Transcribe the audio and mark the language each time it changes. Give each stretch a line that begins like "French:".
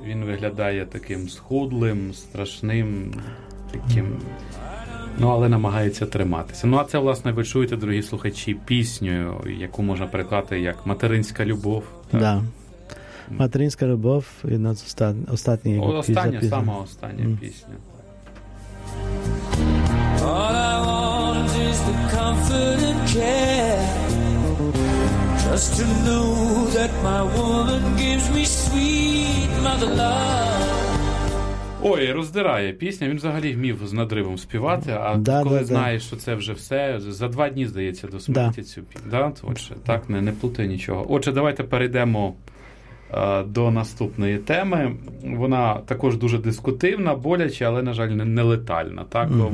Ukrainian: Він виглядає таким схудлим, страшним, таким... але намагається триматися. А це, власне, ви чуєте, дорогі слухачі, пісню, яку можна перекласти як «Материнська любов». Так. Да. «Материнська любов» – одна з останніх пісень. Остання пісня.
English: All I want is the comfort and care, just to know that my woman gives me sweet mother love.
Ukrainian: Ой, роздирає пісня. Він взагалі вмів з надривом співати, а знаєш, що це вже все, за два дні, здається, до смерті цю пісню. Да? Отже, так, не плутай нічого. Отже, давайте перейдемо до наступної теми. Вона також дуже дискутивна, боляча, але, на жаль, не летальна. Так?